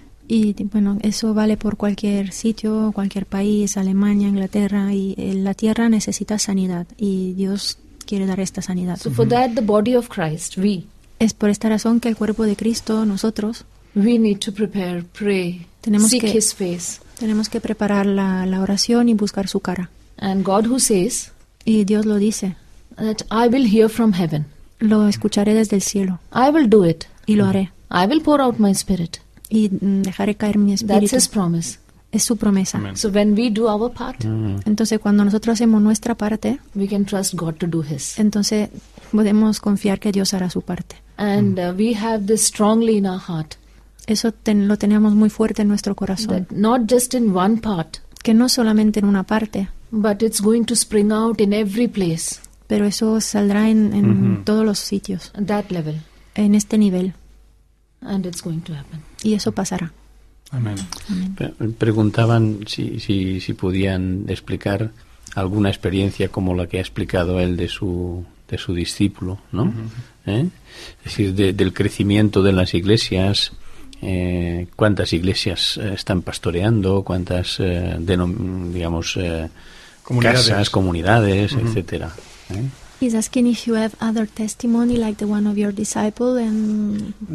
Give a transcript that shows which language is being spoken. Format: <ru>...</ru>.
<es>Y bueno, eso vale por cualquier sitio, cualquier país, Alemania, Inglaterra, y la tierra necesita sanidad y Dios quiere dar esta sanidad.</es> <en>So for that, the body of Christ, we.</en> <es>Es por esta razón que el cuerpo de Cristo, nosotros,</es> <en>we need to prepare, pray, seek his face.</en> <es>Tenemos que preparar la oración y buscar su cara.</es> <en>And God who says,</en> <es>y Dios lo dice,</es> <en>that I will hear from heaven.</en> <es>Lo escucharé desde el cielo.</es> <en>I will do it.</en> <es>Y lo haré.</es> <en>I will pour out my spirit.</en> <es>Y dejaré caer mi espíritu.</es> <en>That's his promise.</en> <es>es su promesa.</es> <en>Amen. So when we do our part,</en> <es>entonces cuando nosotros hacemos nuestra parte,</es> <en>we can trust God to do his.</en> <es>Entonces podemos confiar que Dios hará su parte.</es> <en>And we have this strongly in our heart.</en> <es>Eso lo tenemos muy fuerte en nuestro corazón.</es> <en>That not just in one part,</en> <es>que no solamente en una parte,</es> <en>but it's going to spring out in every place.</en> <es>Pero eso saldrá en todos los sitios.</es> <en>That level.</en> <es>En este nivel.</es> <en>And it's going to happen.</en> <es>Y eso pasará. Amén. Preguntaban si podían explicar alguna experiencia como la que ha explicado él de su discípulo, ¿no? Uh-huh. Es decir, del crecimiento de las iglesias, cuántas iglesias están pastoreando, cuántas comunidades, uh-huh, etcétera.</es> <en>He's asking if you have other testimony like the one of your disciple, and</en>